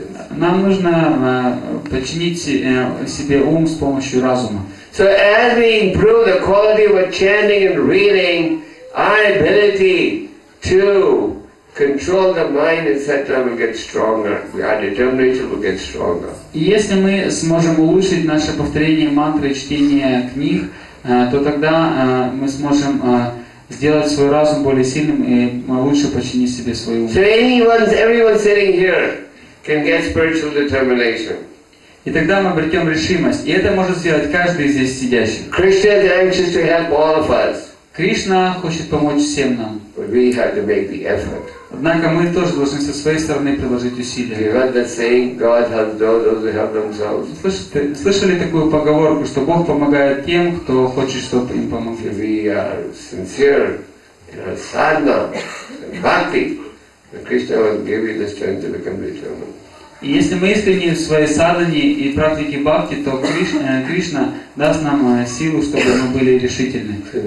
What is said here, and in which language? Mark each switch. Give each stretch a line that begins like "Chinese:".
Russian: Нам нужно подчинить себе ум с помощью разума.
English: So as we improve the quality of chanting and reading, our ability to control the mind, etc., will get stronger. Our determination will get stronger.
Russian: Если мы сможем улучшить наше повторение мантры, чтение книг, то тогда мы сможем сделать свой разум более сильным и лучше подчинить себе свой ум.
English: So anyone, everyone sitting here can get spiritual determination.
Russian: И тогда мы обретем решимость. И это может сделать каждый из здесь сидящих.
English: Krishna is anxious to help all of us.
Russian: Кришна хочет помочь всем нам.
English: But we have to make the effort.
Russian: Однако мы тоже должны со своей стороны приложить усилия.
English: You heard that saying, God helps those who help themselves.
Russian: Слышали такую поговорку, что Бог помогает тем, кто хочет, чтобы им помогли?
English: If we are sincere, in our sadhana, in bhakti, then Krishna will give you the strength to become determined.
Russian: И если мы искренне в своей садхане и практике бхакти, то Кришна даст нам силу, чтобы мы были решительны.